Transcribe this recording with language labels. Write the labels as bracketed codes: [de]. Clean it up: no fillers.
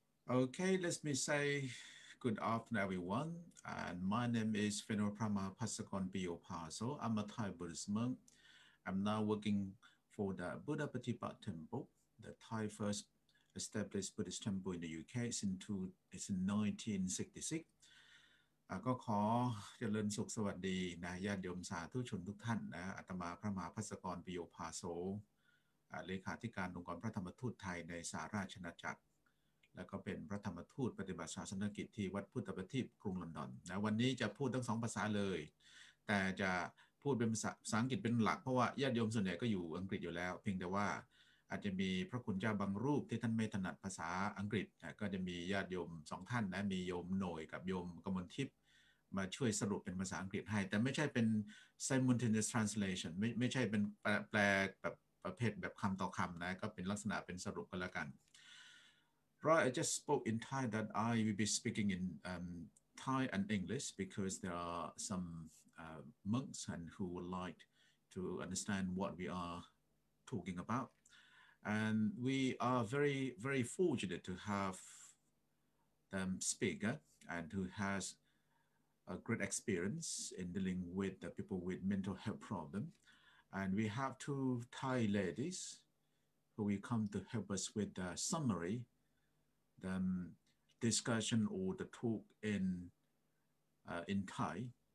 [en] Okay, let me say good afternoon, everyone. And my name is Venerable Prama Pasakon Piyobhaso. I'm a Thai Buddhist monk. I'm now working for the Buddha Patipat Temple, the Thai first established Buddhist temple in the UK it's in 1966. [th] ก็ขอเจริญสุขสวัสดีนะญาติโยมสาธุชนทุกท่านนะอาตมาพระมหาภาสกรปิโยภาโสเลขาธิการองค์กรพระธรรมทูตไทยในสหราชอาณาจักรแล้วก็เป็นพระธรรมทูตปฏิบัติศาสนกิจที่วัดพุทธประทีปกรุงลอนดอนนะวันนี้จะพูดทั้งสองภาษาเลย แต่จะพูดเป็นภาษาอังกฤษเป็นหลักเพราะว่าญาติโยมส่วนใหญ่ก็อยู่อังกฤษอยู่แล้วเพียงแต่ว่า อาจจะมีพระคุณเจ้าบางรูปที่ท่านไม่ถนัดภาษาอังกฤษนะก็จะมีญาติโยมสองท่านนะมีโยมหน่อยกับโยมกมลทิพย์มาช่วยสรุปเป็นภาษาอังกฤษให้แต่ไม่ใช่เป็น simultaneous translation ไม่ใช่เป็นแปลแบบประเภทแบบคำต่อคำนะก็เป็นลักษณะเป็นสรุปก็แล้วกัน [en] Right, I just spoke in Thai that I will be speaking in Thai and English because there are some monks and who would like to understand what we are talking about. And we are very, very fortunate to have them speak and who has a great experience in dealing with the people with mental health problem. And we have two Thai ladies who will come to help us with the summary, the discussion or the talk in Thai.